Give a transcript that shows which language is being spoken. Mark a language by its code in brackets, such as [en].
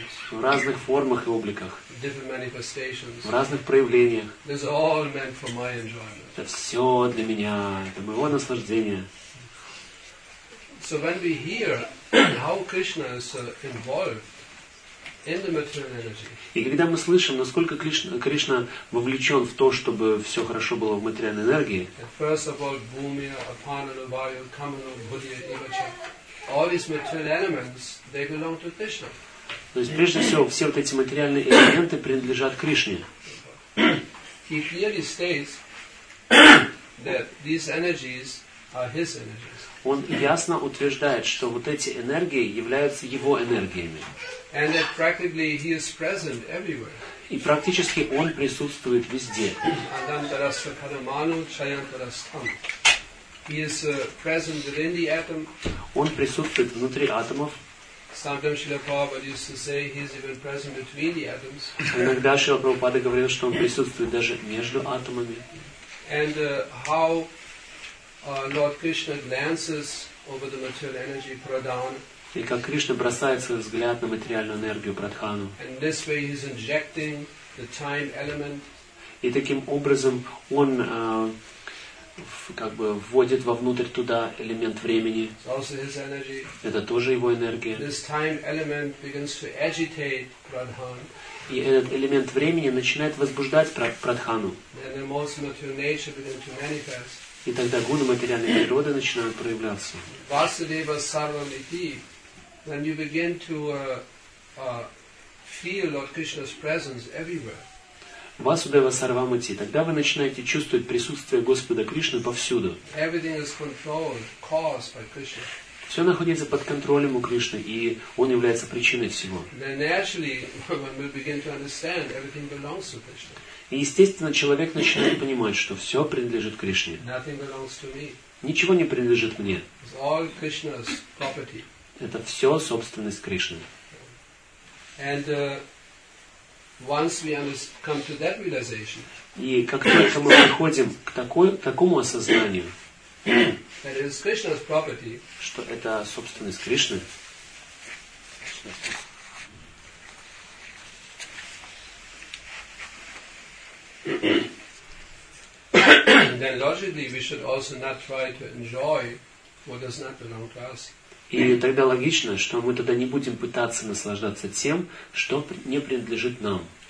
[ru] В разных формах и обликах. В разных проявлениях. Это все для меня, это моего наслаждения. [en] So when we hear how Krishna is involved in the material energy. [ru] И когда мы слышим, насколько Кришна вовлечен в то, чтобы все хорошо было в материальной энергии. [en] First of all, [sa] Bhumiya, Apanana, Vayu, Kamana, Budhiya, Ivacha. [en] All these material elements, they belong to Krishna. [ru] То есть прежде всего все вот эти материальные элементы принадлежат Кришне. [en] He clearly states that these energies his energies. [ru] Он ясно утверждает, что вот эти энергии являются его энергиями. [en] And that practically he is present everywhere. [ru] И практически он присутствует везде. [sa] Anantarastra paramanu chayantarastam. [en] He is present within the atom. [ru] Он присутствует внутри атомов. [en] Sometimes Srila Prabhupada used to say he is even present between the atoms. [ru] Иногда Шрила Прабхупада говорил, что он присутствует даже между атомами. [en] And how Lord Krishna glances over the material energy Pradhan. [ru] И как Кришна бросает свой взгляд на материальную энергию Прадхану. [en] And this way he is injecting the time element. [ru] И таким образом он как бы вводит вовнутрь туда элемент времени. [en] Also his energy. [ru] Это тоже его энергия. [en] This time element begins to agitate Pradhan. [ru] И этот элемент времени начинает возбуждать Прадхану. [en] And the most material nature begins to manifest. [ru] И тогда гуны материальной природы начинают проявляться. [sa] Vasudeva Sarvamiti. [en] When you begin to feel Lord Krishna's presence everywhere. [sa] Vasudeva Sarvamiti. [ru] Тогда вы начинаете чувствовать присутствие Господа Кришны повсюду. [en] Everything is controlled, caused by Krishna. [ru] Все находится под контролем у Кришны, и Он является причиной всего. [en] Then naturally, when we begin to understand, everything belongs to Krishna. [ru] И естественно, человек начинает понимать, что все принадлежит Кришне. [en] Nothing belongs to me. [ru] Ничего не принадлежит мне. [en] It's all Krishna's property. [ru] Это все собственность Кришны. [en] And once we come to that realization, [ru] и как только мы приходим к такому осознанию, [en] that it is Krishna's property, [ru] что это собственность Кришны, [en] then logically we should also not try to enjoy what does not belong to us. [ru] И тогда логично, что мы тогда не будем пытаться наслаждаться тем, что не принадлежит нам.